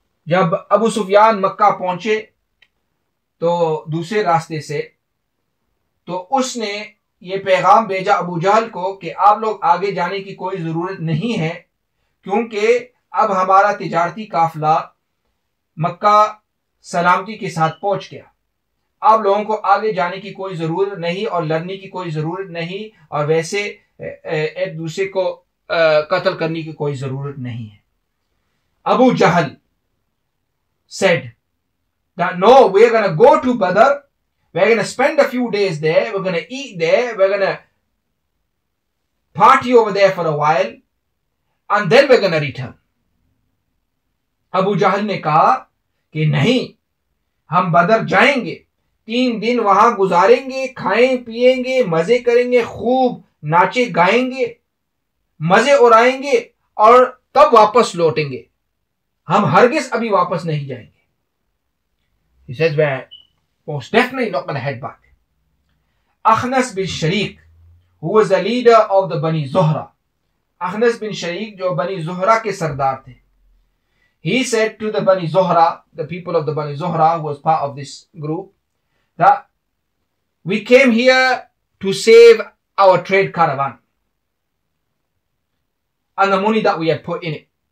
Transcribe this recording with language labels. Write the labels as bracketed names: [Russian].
[Hindi] Jab Abu Sufyan Makkah pahunche to dusre raste se, to usne ye paigham bheja Abu Jahl ko ki aap log aage jane ki koi zarurat nahi hai, kyunki ab hamara tijarati kafla मक्का सलामती के साथ पहुंच गया. आप लोगों को आगे जाने की कोई जरूरत नहीं और लड़ने की कोई जरूरत नहीं, और वैसे एक दूसरे को कत्ल करने की कोई जरूरत नहीं है. [English] Abu Jahl said that no, we are gonna go to Badr, we are gonna spend a few days there, we are gonna eat there, we are gonna party over there for a while, and then we are gonna return. [Hindi] Abu जहल ने कहा कि नहीं, हम बदर जाएंगे, तीन दिन वहां गुजारेंगे, खाएं पिएंगे, मजे करेंगे, खूब नाचे गाएंगे, मजे उड़ाएंगे और तब वापस लौटेंगे, हम हरगिज अभी वापस नहीं जाएंगे. [English] He says, we're most definitely not going to head back. Akhnas bin Shariq, who was the leader of the Bani Zuhra. Akhnas bin Shariq [Hindi] जो Bani Zuhra के सरदार थे, [English] he said to the Bani Zuhra, the people of the Bani Zuhra, who was part of this group, that we came here to save our trade caravan and the money that we had put in it.